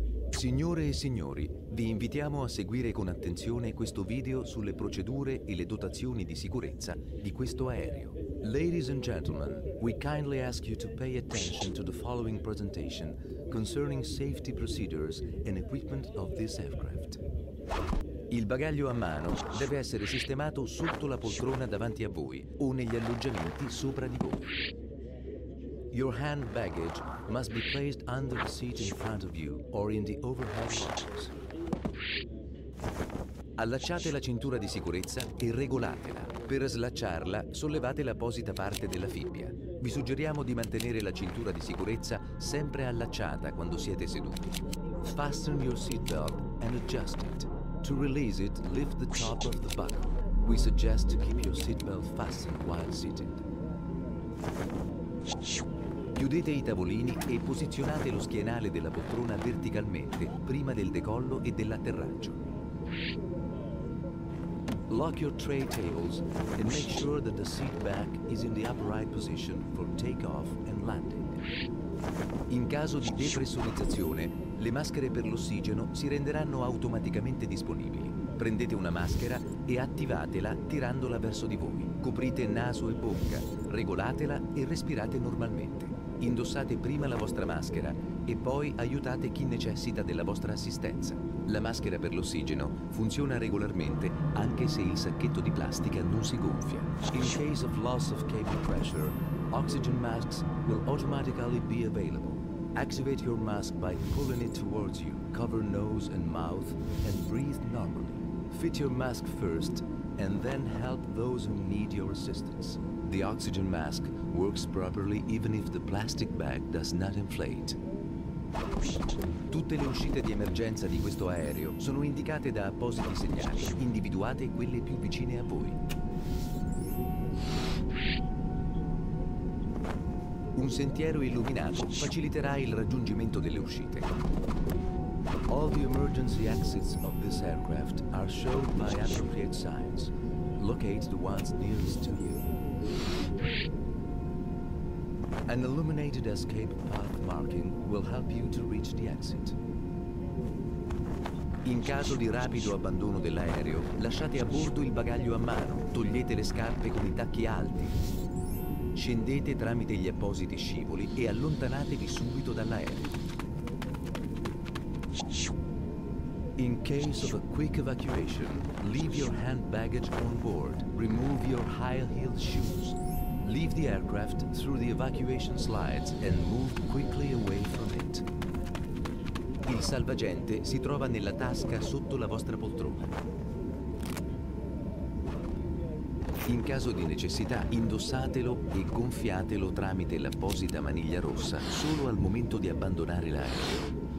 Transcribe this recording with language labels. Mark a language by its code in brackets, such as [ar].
[it] Signore e signori, vi invitiamo a seguire con attenzione questo video sulle procedure e le dotazioni di sicurezza di questo aereo. [en] Ladies and gentlemen, we kindly ask you to pay attention to the following presentation concerning safety procedures and equipment of this aircraft. [it] Il bagaglio a mano deve essere sistemato sotto la poltrona davanti a voi o negli alloggiamenti sopra di voi. [en] Your hand baggage must be placed under the seat in front of you or in the overhead boxes. [it] Allacciate la cintura di sicurezza e regolatela. Per slacciarla, sollevate l'apposita parte della fibbia. Vi suggeriamo di mantenere la cintura di sicurezza sempre allacciata quando siete seduti. [en] Fasten your seatbelt and adjust it. To release it, lift the top of the buckle. We suggest to keep your seatbelt fastened while seated. [it] Chiudete i tavolini e posizionate lo schienale della poltrona verticalmente prima del decollo e dell'atterraggio. [en] Lock your tray tables and make sure that the seat back is in the upright position for takeoff and landing. [it] In caso di depressurizzazione, le maschere per l'ossigeno si renderanno automaticamente disponibili. Prendete una maschera e attivatela tirandola verso di voi. Coprite naso e bocca, regolatela e respirate normalmente. Indossate prima la vostra maschera e poi aiutate chi necessita della vostra assistenza. La maschera per l'ossigeno funziona regolarmente anche se il sacchetto di plastica non si gonfia. [en] In case of loss of cabin pressure, oxygen masks will automatically be available. Activate your mask by pulling it towards you. Cover nose and mouth and breathe normally. Fit your mask first and then help those who need your assistance. The oxygen mask works properly even if the plastic bag does not inflate. [it] Tutte le uscite di emergenza di questo aereo sono indicate da appositi segnali. Individuate quelle più vicine a voi. Un sentiero illuminato faciliterà il raggiungimento delle uscite. [en] All the emergency exits of this aircraft are shown by appropriate signs. Locate the ones nearest to you. An illuminated escape path marking will help you to reach the exit. [it] In caso di rapido abbandono dell'aereo, lasciate a bordo il bagaglio a mano, togliete le scarpe con i tacchi alti, scendete tramite gli appositi scivoli e allontanatevi subito dall'aereo. [en] In case of a quick evacuation, leave your hand baggage on board. Remove your high-heeled shoes. Leave the aircraft through the evacuation slides and move quickly away from it. [it] Il salvagente si trova nella tasca sotto la vostra poltrona. In caso di necessità, indossatelo e gonfiatelo tramite l'apposita maniglia rossa solo al momento di abbandonare l'aereo.